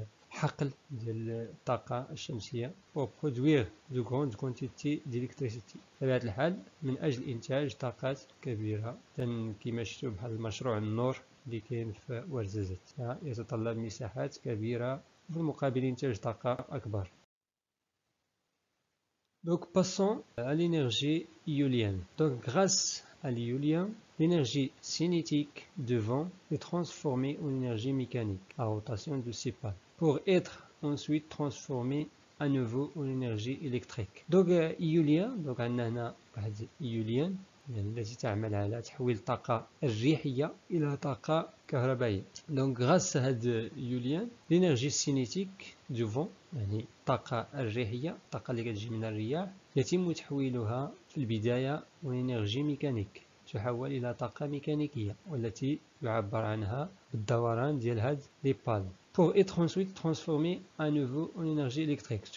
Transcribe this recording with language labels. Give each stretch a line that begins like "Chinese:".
Arabic: حقل ديال الطاقة الشمسية
French: وبرودوير دو كروند كونتيتي ديليكتريسيتي.
Arabic: بطبيعة الحال من أجل إنتاج طاقات كبيرة كما شفتو بحال المشروع النور اللي كاين في ورزازات، يتطلب مساحات كبيرة بالمقابل إنتاج طاقة أكبر.
French: Donc passons à l'énergie éolienne. Donc grâce à l'éolien, l'énergie cinétique de vent est transformée en énergie mécanique à rotation de ses pales pour être ensuite transformée à nouveau en énergie électrique. Donc éolien, donc on a un éolien qui travaille à la transformation de l'énergie électrique en énergie mécanique. Donc grâce à l'éolien, l'énergie cinétique du vent,
Arabic: يعني الطاقة الريحية، الطاقة اللي كتجي من الرياح، يتم تحويلها في البداية من إنرجي ميكانيك، تحول إلى طاقة ميكانيكية، والتي يعبر عنها بالدوران ديال هاد لي بال،
French: pour être ensuite transformé à nouveau en énergie électrique.